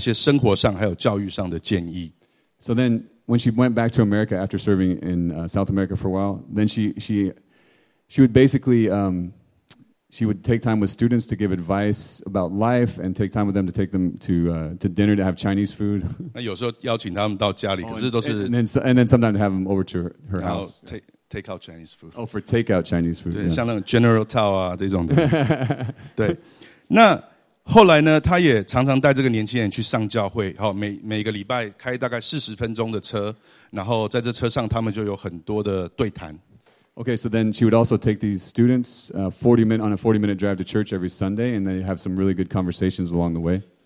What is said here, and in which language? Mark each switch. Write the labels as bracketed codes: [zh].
[zh] 好，那她是这个年轻人的指导老师，她在学校的时候常常会邀请这个年轻人给她一些生活上还有教育上的建议。 [en] So then, when she went back to America after serving in South America for a while, then she would basically she would take time with students to give advice about life and take time with them to take them to dinner to have Chinese food. and then sometimes have them over to her house. Take out Chinese food. Oh, for takeout Chinese food. [zh] 对，像那种 General Tao啊这种的。对，那后来呢，他也常常带这个年轻人去上教会，好，每个礼拜开大概40分钟的车，然后在这车上他们就有很多的对谈。 [en] Okay, so then she would also take these students 40-minute on a 40-minute drive to church every Sunday, and they have some really good conversations along the way.